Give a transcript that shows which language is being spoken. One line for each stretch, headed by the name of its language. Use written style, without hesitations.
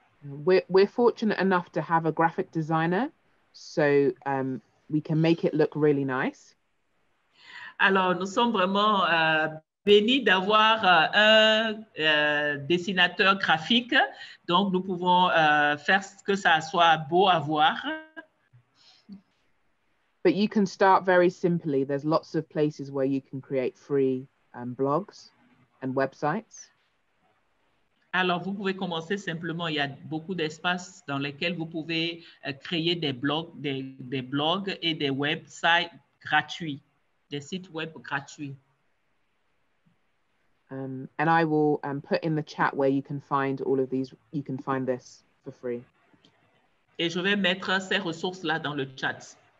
English: We're fortunate enough to have a graphic designer, so we can make it look really nice.
French: Alors, nous sommes vraiment bénis d'avoir un dessinateur graphique, donc nous pouvons faire que ça soit beau à voir.
English: But you can start very simply. There's lots of places where you can create free blogs and websites.
French: Alors, vous pouvez commencer simplement. Il y a beaucoup d'espaces dans lesquels vous pouvez créer des blogs et des websites gratuits, des sites web gratuits.
English: And I will put in the chat where you can find all of these. You can find this for free.
French: Et je vais mettre ces ressources là dans le chat.